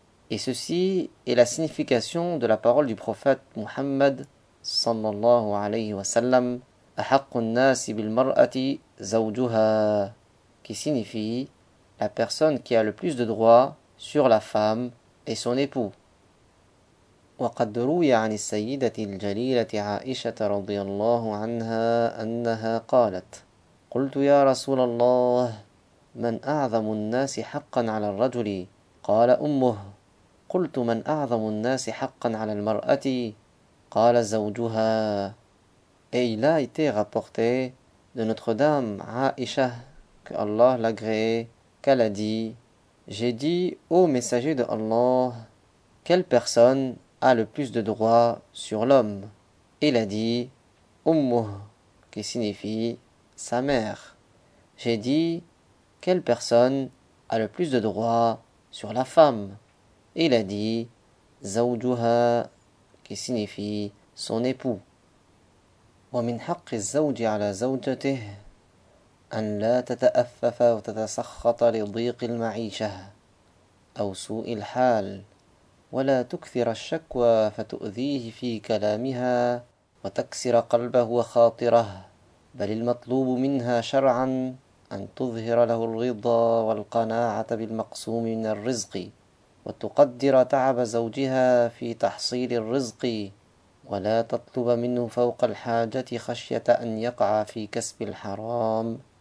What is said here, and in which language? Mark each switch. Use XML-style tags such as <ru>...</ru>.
<fr>Et ceci est la signification de la parole du prophète Muhammad sallallahu alayhi wa sallam, «</fr> <ar>أَحَقُّ النَّاسِ بِالْمَرْأَةِ زَوْجُهَا</ar> <fr>» qui signifie « La personne qui a le plus de droits sur la femme est son époux. »</fr> <ar>وقد روي عن السيدة الجليلة عائشة رضي الله عنها أنها قالت قلت يا رسول الله من أعظم الناس حقا على الرجل؟ قال أمه. قلت من أعظم الناس حقا على المرأة؟ قال زوجها.</ar> <fr>Et il a été rapporté de Notre-Dame Aïcha, que Allah l'agré, qu'elle a dit: J'ai dit, ô messager de Allah, quelle personne a le plus de droits sur l'homme? Il a dit: Ummuh, qui signifie sa mère. J'ai dit: quelle personne a le plus de droits sur la femme? Il a dit: Zawjuha, qui signifie son époux.</fr> <ar>ومن حق الزوج على زوجته أن لا تتأفف وتتسخط لضيق المعيشة أو سوء الحال، ولا تكثر الشكوى فتؤذيه في كلامها وتكسر قلبه وخاطره، بل المطلوب منها شرعا أن تظهر له الرضا والقناعة بالمقسوم من الرزق، وتقدر تعب زوجها في تحصيل الرزق، ولا تطلب منه فوق الحاجة خشية أن يقع في كسب الحرام.</ar>